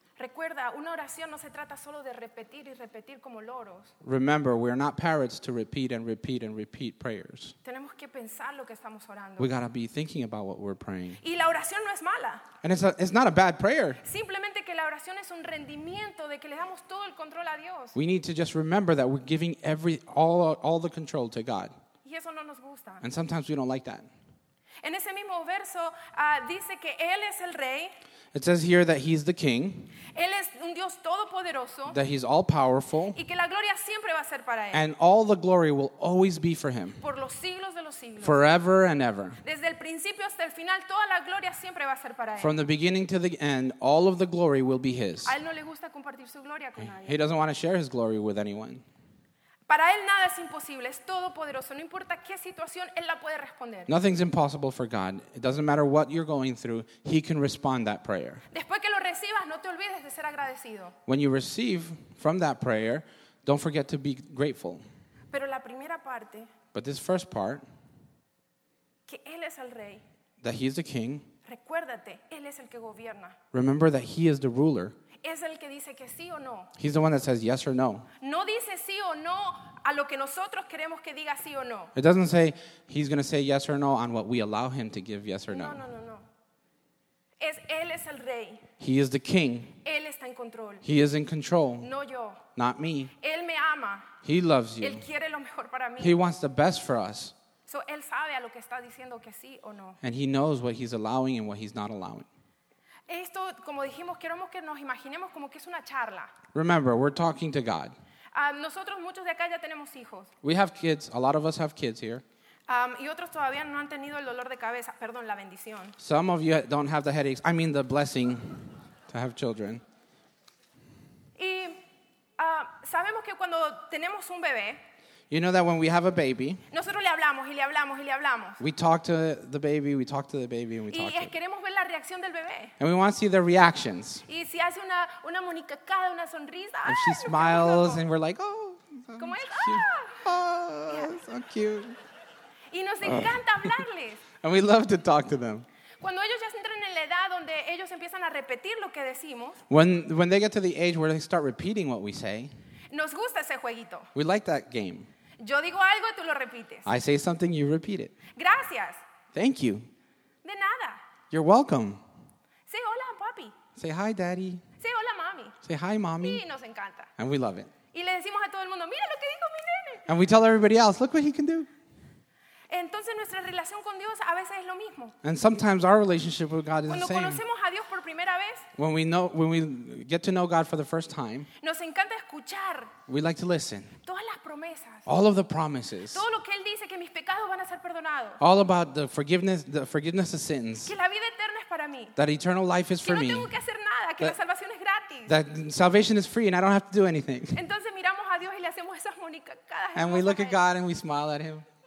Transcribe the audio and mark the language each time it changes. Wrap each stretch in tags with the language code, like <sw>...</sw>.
<es>Recuerda, una oración no se trata solo de repetir y repetir como loros.</es> <en>Remember, we are not parrots to repeat and repeat and repeat prayers.</en> <es>Tenemos que pensar lo que estamos orando.</es> <en>We gotta be thinking about what we're praying.</en> <es>Y la oración no es mala.</es> <en>And it's not a bad prayer.</en> <es>Simplemente que la oración es un rendimiento de que le damos todo el control a Dios.</es> <en>We need to just remember that we're giving all the control to God.</en> <es>Y eso no nos gusta.</es> <en>And sometimes we don't like that.</en> <es>En ese mismo verso dice que Él es el Rey.</es> <en>It says here that he's the king.</en> <es>Él es un Dios todopoderoso.</es> <en>That he's all powerful.</en> <es>Y que la gloria siempre va a ser para él.</es> <en>And all the glory will always be for him.</en> <es>Por los siglos de los siglos.</es> <en>Forever and ever.</en> <es>Desde el principio hasta el final, toda la gloria siempre va a ser para él.</es> <en>From the beginning to the end, all of the glory will be his.</en> <es>A él no le gusta compartir su gloria con nadie.</es> <en>He doesn't want to share his glory with anyone.</en> <es>Para él nada es imposible, es todopoderoso, no importa qué situación él la puede responder.</es> <en>Nothing's impossible for God. It doesn't matter what you're going through, he can respond that prayer.</en> <es>Después que lo recibas, no te olvides de ser agradecido.</es> <en>When you receive from that prayer, don't forget to be grateful.</en> <es>Pero la primera parte,</es> <en>but this first part,</en> <es>que él es el rey.</es> <en>That he is the king.</en> <es>Recuérdate, él es el que gobierna.</es> <en>Remember that he is the ruler.</en> <es>Es el que dice que sí o no.</es> <en>He's the one that says yes or no.</en> <es>No dice sí o no a lo que nosotros queremos que diga sí o no.</es> <en>It doesn't say he's going to say yes or no on what we allow him to give yes or no.</en> <es>No. Él es el rey.</es> <en>He is the king.</en> <es>Él está en control.</es> <en>He is in control.</en> <es>No yo.</es> <en>Not me.</en> <es>Él me ama.</es> <en>He loves you.</en> <es>Él quiere lo mejor para mí.</es> <en>He wants the best for us.</en> <es>So él sabe a lo que está diciendo que sí o no.</es> <en>And he knows what he's allowing and what he's not allowing.</en> <es>Esto, como dijimos, queremos que nos imaginemos como que es una charla.</es> <en>Remember, we're talking to God.</en> <es>Nosotros muchos de acá ya tenemos hijos.</es> <en>We have kids. A lot of us have kids here.</en> <es>Y otros todavía no han tenido el dolor de cabeza. Perdón, la bendición.</es> <en>Some of you don't have the headaches. I mean the blessing to have children.</en> <es>Y sabemos que cuando tenemos un bebé.</es> <en>You know that when we have a baby,</en> <es>nosotros le hablamos y le hablamos y le hablamos.</es> <en>We talk to the baby, we talk to the baby, and we talk to</en> <es>it. Y queremos ver la reacción del bebé.</es> <en>And we want to see their reactions.</en> <es>Y si hace una monicacada, una sonrisa.</es> <en>And she smiles, and we're like, oh.</en> <es>¿Cómo es?</es> <en>Oh, yes. So cute.</en> <es>Y nos encanta hablarles.</es> <en>And we love to talk to them.</en> <es>Cuando ellos ya entran en la edad donde ellos empiezan a repetir lo que decimos.</es> <en>When they get to the age where they start repeating what we say.</en> <es>Nos gusta ese jueguito.</es> <en>We like that game.</en> <es>Yo digo algo y tú lo repites.</es> <en>I say something, you repeat it.</en> <es>Gracias.</es> <en>Thank you.</en> <es>De nada.</es> <en>You're welcome.</en> <es>Sí, hola,</es> <en>Say hi, daddy. Say</en> <es>hola, mami.</es> <en>Say hi, mommy.</en> <es>Y nos encanta.</es> <en>And we love it.</en> <es>Y le decimos a todo el mundo, mira lo que dijo mi nene.</es> <en>And we tell everybody else, look what he can do.</en> <es>Entonces nuestra relación con Dios a veces es lo mismo.</es> <en>And sometimes our relationship with God is</en> <es>cuando</es> <en>the same.</en> <es>Cuando conocemos a Dios por primera vez,</es> <en>when we get to know God for the first time,</en> <es>nos encanta escuchar.</es> <en>We like to listen.</en> <es>Todas las promesas.</es> <en>All of the promises.</en> <es>Todo lo que él dice que mis pecados van a ser perdonados.</es> <en>All about the forgiveness of sins.</en> <es>Que la vida eterna es para mí.</es> <en>That eternal life is for me.</en> <es>Que no tengo que hacer nada, que la salvación es gratis.</es> <en>That salvation is free and I don't have to do anything.</en> <es>Entonces miramos a Dios y le hacemos esas monicacadas.</es> <en>And we look at God and we smile at him.</en>